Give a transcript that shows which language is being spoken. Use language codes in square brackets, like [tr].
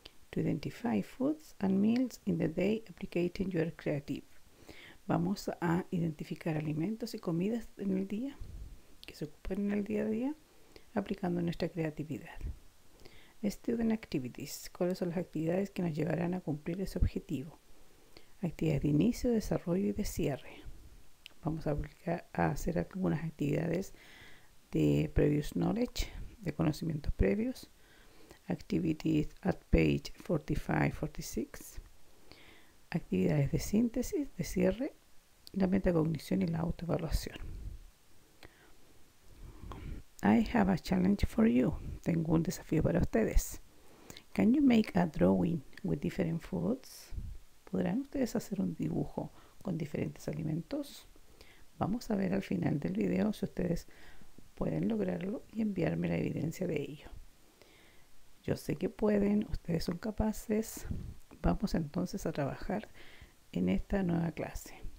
[en] To identify foods and meals in the day, applying your creative. [es] Vamos a identificar alimentos y comidas en el día, que se ocupan en el día a día, aplicando nuestra creatividad. [en] Student activities. [es] ¿Cuáles son las actividades que nos llevarán a cumplir ese objetivo? Actividades de inicio, desarrollo y de cierre. Vamos a aplicar a hacer algunas actividades de previous knowledge, de conocimientos previos. [en] Activities at page 45-46. [es] Actividades de síntesis, de cierre, la metacognición y la autoevaluación. [en] I have a challenge for you. [es] Tengo un desafío para ustedes. [en] Can you make a drawing with different foods? [es] ¿Podrán ustedes hacer un dibujo con diferentes alimentos? Vamos a ver al final del video si ustedes pueden lograrlo y enviarme la evidencia de ello. Yo sé que pueden, ustedes son capaces. Vamos entonces a trabajar en esta nueva clase.